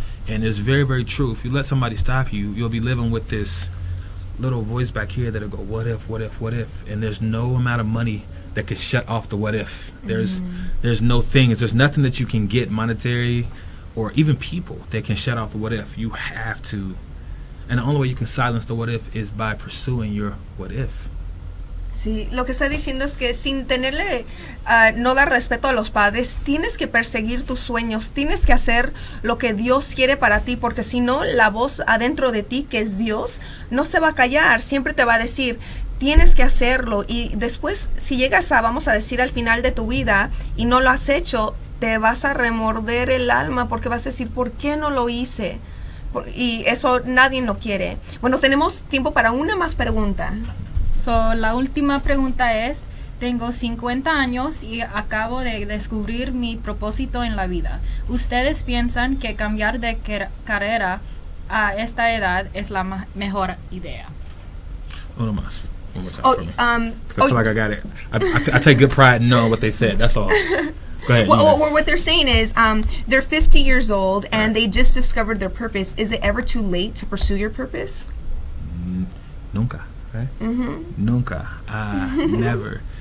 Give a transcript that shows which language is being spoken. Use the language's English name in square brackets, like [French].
[English] And it's very, very true. If you let somebody stop you, you'll be living with this little voice back here that'll go, what if, what if, what if? And there's no amount of money that could shut off the what if. There's no things, there's nothing that you can get, monetary or even people, that can shut off the what if. You have to. And the only way you can silence the what if is by pursuing your what if. [Spanish] Sí, lo que está diciendo es que sin tenerle, no dar respeto a los padres, tienes que perseguir tus sueños, tienes que hacer lo que Dios quiere para ti, porque si no, la voz adentro de ti, que es Dios, no se va a callar, siempre te va a decir, tienes que hacerlo. Y después, si llegas a, vamos a decir, al final de tu vida, y no lo has hecho, te vas a remorder el alma, porque vas a decir, ¿por qué no lo hice? Y eso nadie lo quiere. Bueno, tenemos tiempo para una más pregunta. So, la última pregunta es, tengo 50 años y acabo de descubrir mi propósito en la vida. ¿Ustedes piensan que cambiar de carrera a esta edad es la mejor idea? Uno más. [English] I take good pride in knowing what they said. That's all. Well, what they're saying is they're 50 years old and right. They just discovered their purpose. Is it ever too late to pursue your purpose? [Spanish] Nunca, [English] right? [Spanish] Mm-hmm. Nunca. [English] Never.